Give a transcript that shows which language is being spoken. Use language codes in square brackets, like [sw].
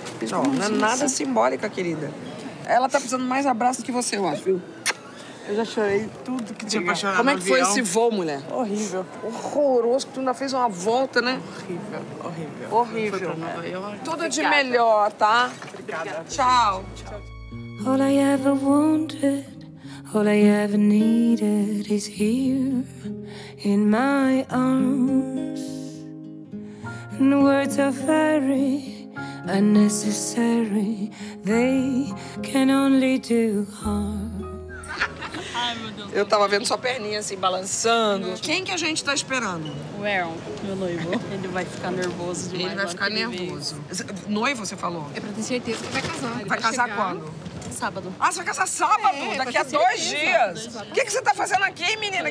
[pt] Não, não é nada simbólica, querida. Ela tá precisando mais abraço que você, eu acho. Eu já chorei tudo que tinha pra chorar. Como é que foi avião? Esse voo, mulher? Horrível. Horroroso, que tu ainda fez uma volta, né? Horrível. Foi pra Nova York. Tudo obrigada. De melhor, tá? Obrigada. Tchau. [en] All I ever wanted, all I ever needed is here in my arms. And words are very unnecessary. They can only do harm. [pt] Eu tava vendo sua perninha assim, balançando. Quem que a gente tá esperando? O Aaron, meu noivo. Ele vai ficar nervoso demais. Ele vai ficar nervoso. Noivo, você falou? É pra ter certeza que vai casar. Vai casar quando? Sábado. Ah, você vai casar sábado? É, daqui a dois dias. O que, que você tá fazendo aqui, menina?